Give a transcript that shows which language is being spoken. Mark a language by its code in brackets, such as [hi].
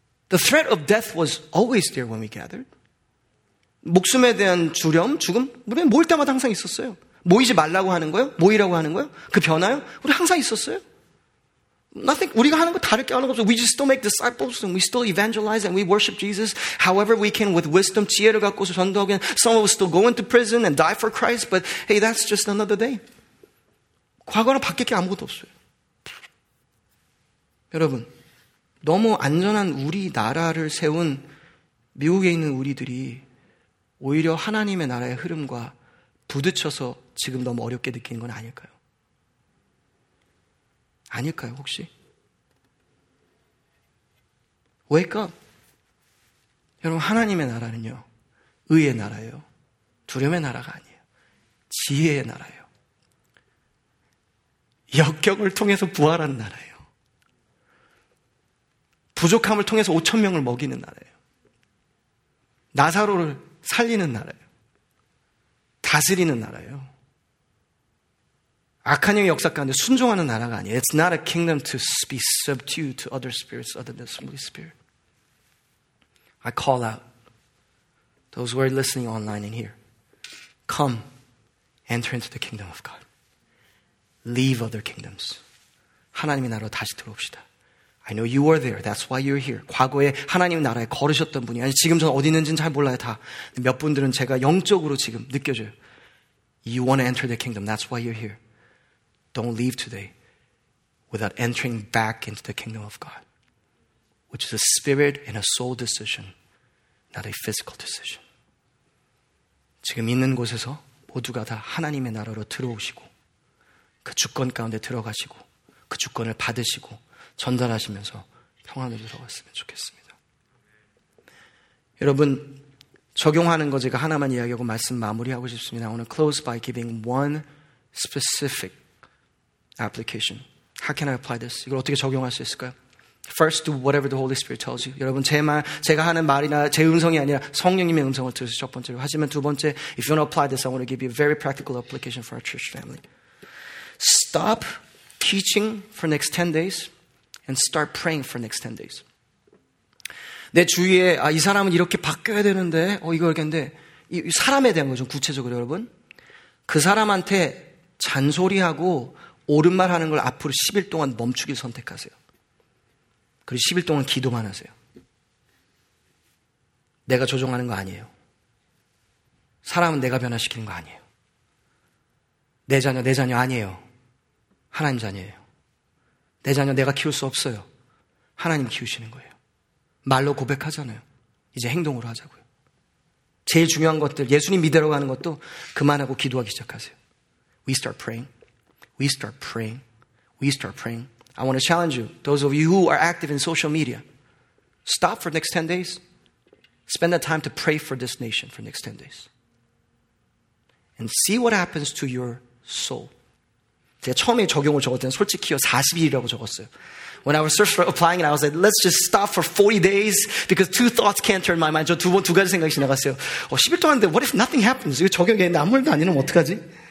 [en] The threat of death was always there when we gathered. [ko] 목숨에 대한 두려움, 죽음, 우리는 모일 때마다 항상 있었어요. 모이지 말라고 하는 거요? 모이라고 하는 거요? 그 변화요? 우리 항상 있었어요. [en] Nothing. [ko] 우리가 하는 거 다를 게 하는 거 없어요. [en] We just still make disciples and we still evangelize and we worship Jesus. However we can with wisdom, [ko] 지혜를 갖고서 전도하고 [en] some of us still go into prison and die for Christ. But hey, that's just another day. [ko] 과거는 바뀔 게 아무것도 없어요. 여러분, 너무 안전한 우리나라를 세운 미국에 있는 우리들이 오히려 하나님의 나라의 흐름과 부딪혀서 지금 너무 어렵게 느끼는 건 아닐까요? 아닐까요, 혹시? [en] Wake up. [ko] 여러분, 하나님의 나라는요, 의의 나라예요. 두려움의 나라가 아니에요. 지혜의 나라예요. 역경을 통해서 부활한 나라예요. 부족함을 통해서 5,000명을 먹이는 나라예요. 나사로를 살리는 나라예요. 다스리는 나라예요. 악한 영의 역사 가운데 순종하는 나라가 아니에요. [en] It's not a kingdom to be subdued to other spirits other than the Holy Spirit. I call out those who are listening online and here. Come, enter into the kingdom of God. Leave other kingdoms. [ko] 하나님의 나라로 다시 들어옵시다. [en] I know you are there. That's why you're here. [ko] 과거에 하나님 나라에 걸으셨던 분이 아니 지금 전 어디 있는지는 잘 몰라요 다. 몇 분들은 제가 영적으로 지금 느껴져요. [en] You want to enter the kingdom. That's why you're here. Don't leave today without entering back into the kingdom of God, which is a spirit and a soul decision, not a physical decision. [ko] 지금 있는 곳에서 모두가 다 하나님의 나라로 들어오시고 그 주권 가운데 들어가시고 그 주권을 받으시고 전달하시면서 평안으로 들어갔으면 좋겠습니다. 여러분, 적용하는 거 제가 하나만 이야기하고 말씀 마무리하고 싶습니다. [en] I want to close by giving one specific application. How can I apply this? [ko] 이걸 어떻게 적용할 수 있을까요? [en] First, do whatever the Holy Spirit tells you. [ko] 여러분, 제 말, 제가 하는 말이나 제 음성이 아니라 성령님의 음성을 들으세요. 첫 번째로. 하지만 두 번째, [en] if you want to apply this, I want to give you a very practical application for our church family. Stop teaching for next 10 days and start praying for next 10 days. [ko] 내 주위에, 아, 이 사람은 이렇게 바뀌어야 되는데, 어, 이거 이렇게인데, 이 사람에 대한 거 좀 구체적으로 여러분. 그 사람한테 잔소리하고 옳은 말 하는 걸 앞으로 10일 동안 멈추길 선택하세요. 그리고 10일 동안 기도만 하세요. 내가 조종하는 거 아니에요. 사람은 내가 변화시키는 거 아니에요. 내 자녀 아니에요. 하나님 자녀예요. 내 자녀 내가 키울 수 없어요. 하나님 키우시는 거예요. 말로 고백하잖아요. 이제 행동으로 하자고요. 제일 중요한 것들, 예수님 믿으러 가는 것도 그만하고 기도하기 시작하세요. [en] We start praying. We start praying. We start praying. I want to challenge you, those of you who are active in social media, stop for the next 10 days. Spend the time to pray for this nation for the next 10 days. And see what happens to your soul. [ko] 제가 처음에 적용을 적을 때는 솔직히요, 40일이라고 적었어요. [en] When I was searching for applying it, I was like, let's just stop for 40 days because two thoughts can't turn my mind. [ko] 저 두 가지 생각이 지나갔어요. 어, 10일 동안 하는데 [en] what if nothing happens? [ko] 이거 적용했는데 아무 일도 아니면 어떡하지?